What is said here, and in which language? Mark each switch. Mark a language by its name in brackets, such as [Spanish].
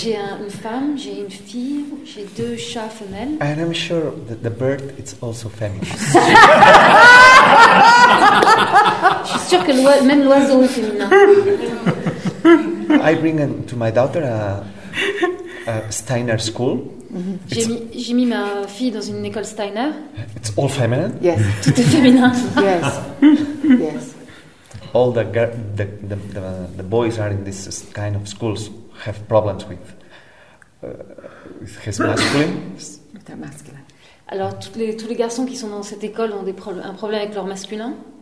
[French] J'ai une femme, j'ai une fille, j'ai deux chats femelles. [English] And I'm sure that the bird is also female. [French] Je suis sûre que même l'oiseau est féminin. [English] I bring to my daughter a Steiner school. Mm-hmm. [French] J'ai mis ma fille dans une école Steiner. [English] It's all feminine. Yes. [French] Tout est féminin. [English] Yes. Yes. All the boys are in this kind of schools have problems with his masculine. With their masculine. [French] Alors tous les garçons qui sont dans cette école ont un problème avec leur masculin.